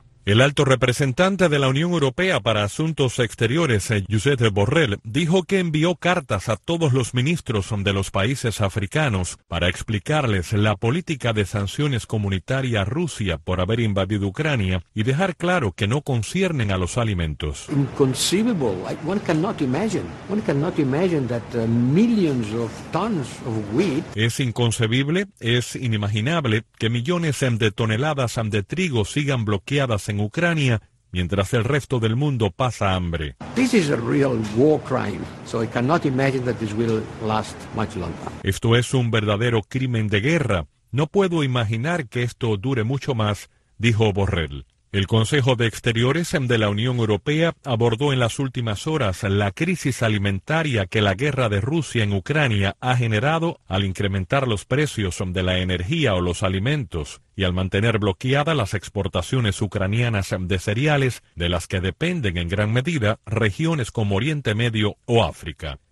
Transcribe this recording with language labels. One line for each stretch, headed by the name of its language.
Spanish: El alto representante de la Unión Europea para Asuntos Exteriores, Josep Borrell, dijo que envió cartas a todos los ministros de los países africanos para explicarles la política de sanciones comunitaria a Rusia por haber invadido Ucrania y dejar claro que no conciernen a los alimentos.
English: Inconceivable. One cannot imagine that millions of tons of wheat.
Spanish: Es inconcebible, es inimaginable que millones de toneladas de trigo sigan bloqueadas en Ucrania, mientras el resto del mundo pasa hambre.
English: This is a real war crime, so I cannot imagine that this will last much longer.
Spanish: Esto es un verdadero crimen de guerra. No puedo imaginar que esto dure mucho más, dijo Borrell. El Consejo de Exteriores de la Unión Europea abordó en las últimas horas la crisis alimentaria que la guerra de Rusia en Ucrania ha generado al incrementar los precios de la energía o los alimentos y al mantener bloqueadas las exportaciones ucranianas de cereales de las que dependen en gran medida regiones como Oriente Medio o África.